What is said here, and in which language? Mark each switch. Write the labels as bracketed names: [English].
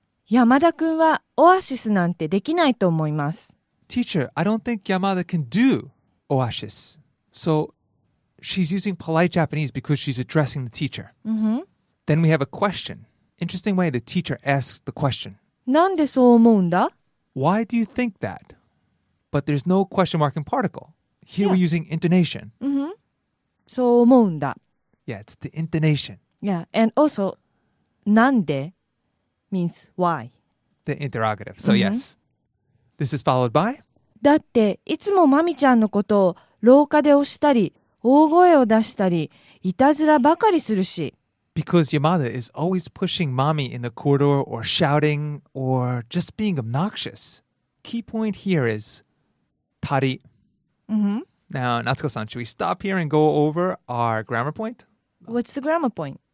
[Japanese] 山田君はオアシスなんてできないと思います。 [English] Teacher, I don't think Yamada can do Oasis. So she's using polite Japanese because she's addressing the teacher. Then we have a question. Interesting way the teacher asks the question. [Japanese] なんでそう思うんだ? [English] Why do you think that? But there's no question mark in particle. Here we're using intonation. [Japanese] そう思うんだ. [English] Yeah, it's the intonation. Yeah, and also, なんで means why. The interrogative, so yes. This is followed by? [Japanese] だっていつもマミちゃんのことを廊下で押したり大声を出したりいたずらばかりするし [English] Because Yamada is always pushing Mami in the corridor or shouting or just being obnoxious. Key point here is tari. Now, Natsuko-san, should we stop here and go over our grammar point? What's the grammar point?